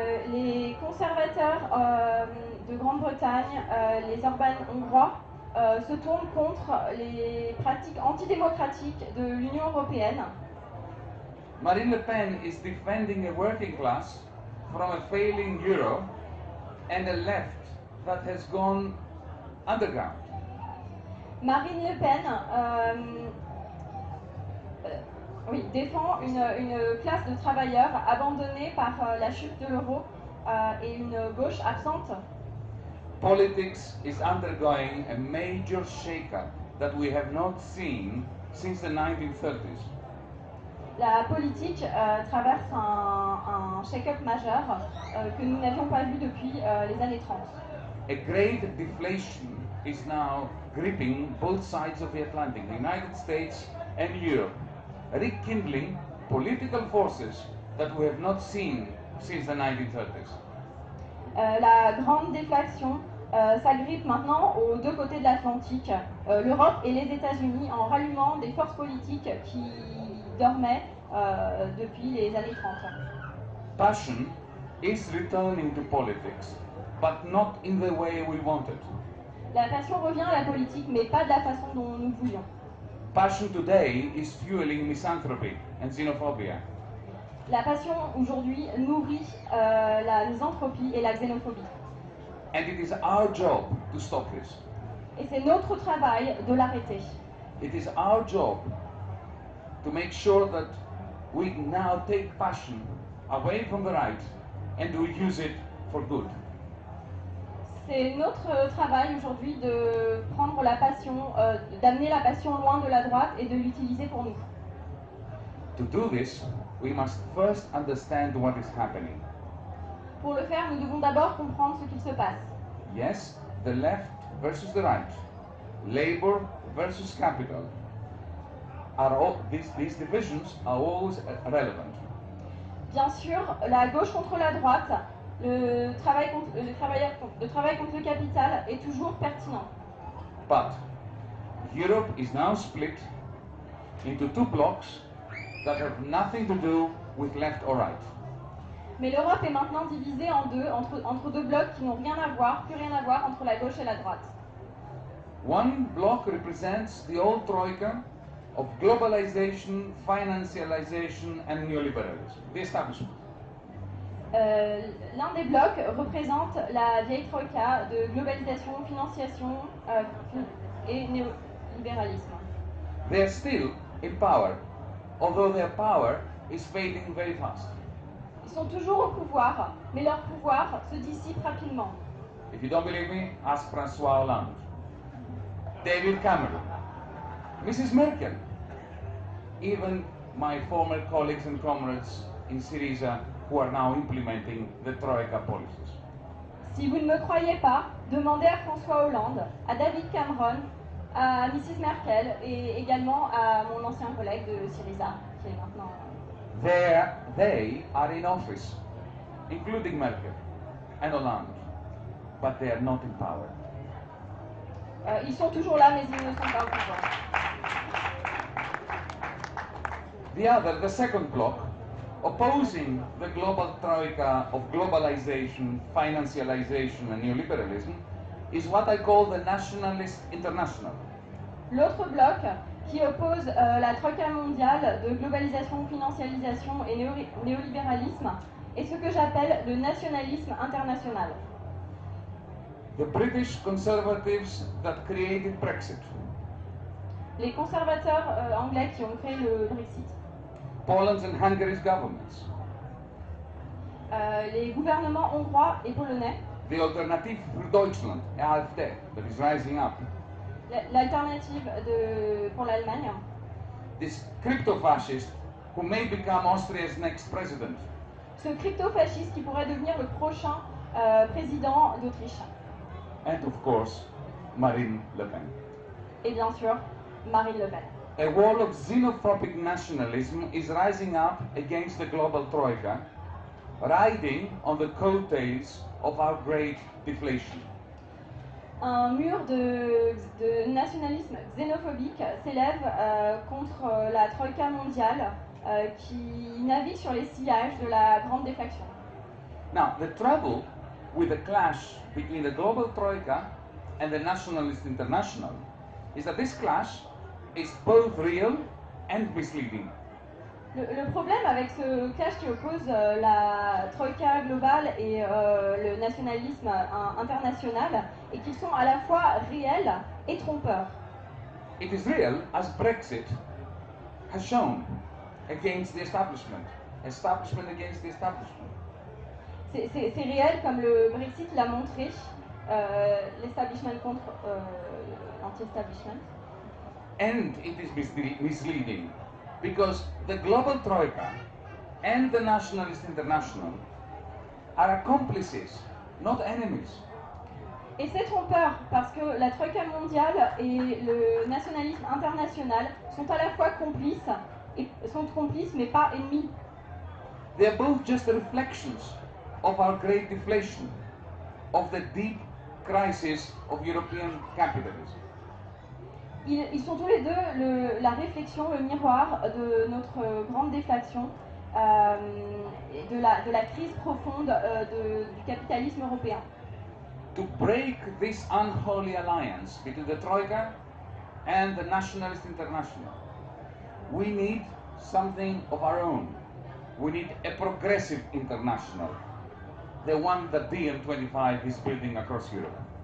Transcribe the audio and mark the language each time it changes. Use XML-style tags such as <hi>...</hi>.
<fr>Les conservateurs de Grande-Bretagne, les Orbán hongrois, se tournent contre les pratiques antidémocratiques de l'Union européenne.</fr> <en>Marine Le Pen is defending a working class from a failing euro and a left that has gone underground.</en> <fr>Marine Le Pen oui, défend une classe de travailleurs abandonnée par la chute de l'euro et une gauche absente.</fr> <en>Politics is undergoing a major shake-up that we have not seen since the 1930s.</en> <fr>La politique traverse un shake-up majeur que nous n'avions pas vu depuis les années 30.</fr> <en>A great deflation is now gripping both sides of the Atlantic, the United States and Europe, rekindling political forces that we have not seen since the 1930s.</en> <fr>La grande déflation s'agrippe maintenant aux deux côtés de l'Atlantique, l'Europe et les États-Unis, en rallumant des forces politiques qui dormaient depuis les années 30.</fr> <en>Passion is returning to politics, but not in the way we wanted.</en> <fr>La passion revient à la politique, mais pas de la façon dont nous voulions.</fr> <en>Passion today is fueling misanthropy and xenophobia.</en> <fr>La passion aujourd'hui nourrit la misanthropie et la xénophobie.</fr> <en>And it is our job to stop this.</en> <fr>Et c'est notre travail de l'arrêter.</fr> <en>It is our job to make sure that we now take passion away from the right and we use it for good.</en> <fr>C'est notre travail aujourd'hui de prendre la passion, d'amener la passion loin de la droite et de l'utiliser pour nous.</fr> <en>To do this, we must first understand what is happening.</en> <fr>Pour le faire, nous devons d'abord comprendre ce qu'il se passe.</fr> <en>Yes, the left versus the right, labor versus capital, are all these divisions are always relevant.</en> <fr>Bien sûr, la gauche contre la droite, le travail contre le capital est toujours pertinent.</fr> <en>But Europe is now split into two blocks that have nothing to do with left or right.</en> <fr>Mais l'Europe est maintenant divisée en deux, entre deux blocs qui n'ont rien à voir, plus rien à voir entre la gauche et la droite.</fr> <en>One block represents the old Troika of globalization, financialization and neoliberalism, the establishment.</en> <fr>L'un des blocs représente la vieille troïka de globalisation, financiation et néolibéralisme.</fr> <en>They are still in power, although their power is fading very fast.</en> <fr>Ils sont toujours au pouvoir, mais leur pouvoir se dissipe rapidement.</fr> <en>If you don't believe me, ask François Hollande, David Cameron, Mrs. Merkel, even my former colleagues and comrades in Syriza who are now implementing the Troika policies.</en> <fr>Si vous ne me croyez pas, demandez à François Hollande, à David Cameron, à Mrs. Merkel et également à mon ancien collègue de Syriza qui est maintenant...</fr> <en>They are in office, including Merkel and Hollande, but they are not in power.</en> <fr>Ils sont toujours là, mais ils ne sont pas au pouvoir.</fr> <en>The other, the second block, opposing the global troika of globalization, financialization and neoliberalism, is what I call the nationalist international.</en> <fr>L'autre bloc qui oppose la troïka mondiale de globalisation, financialisation et néolibéralisme est ce que j'appelle le nationalisme international.</fr> <en>The British conservatives that created Brexit.</en> <fr>Les conservateurs anglais qui ont créé le Brexit.</fr> <en>Poland's and Hungary's governments.</en> <fr>Les gouvernements hongrois et polonais.</fr> <en>The alternative for Deutschland, AfD, that is rising up.</en> <fr>L'alternative de, pour l'Allemagne.</fr> <en>This crypto-fascist who may become Austria's next president.</en> <fr>Ce crypto-fasciste qui pourrait devenir le prochain président d'Autriche.</fr> <en>And of course, Marine Le Pen.</en> <fr>Et bien sûr, Marine Le Pen.</fr> <en>A wall of xenophobic nationalism is rising up against the global troika, riding on the coattails of our great deflation.</en> <fr>Un mur de nationalisme xénophobique s'élève contre la troïka mondiale qui navigue sur les sillages de la grande déflation.</fr> <en>Now, the trouble with the clash between the global troika and the nationalist international is that this clash is both real and misleading.</en> <fr>Le problème avec ce clash qui oppose la troïka globale et le nationalisme international est qu'ils sont à la fois réels et trompeurs.</fr> <en>It is real, as Brexit has shown, against the establishment, establishment against the establishment.</en> <fr>C'est réel comme le Brexit l'a montré, l'establishment contre l'anti-establishment.</fr> <en>And it is misleading because the global troika and the nationalist international are accomplices, not enemies.</en> <fr>Et c'est trompeur parce que la troïka mondiale et le nationalisme international sont à la fois complices et sont complices mais pas ennemis.</fr> <en>They are both just reflections of our great deflation, of the deep crisis of European capitalism.</en> <fr>Ils sont tous les deux la réflexion, le miroir de notre grande déflation, de la crise profonde du capitalisme européen.</fr> <en>To break this unholy alliance between the Troika and the nationalist international, we need something of our own. We need a progressive international, the one that DiEM25 is building across Europe.</en>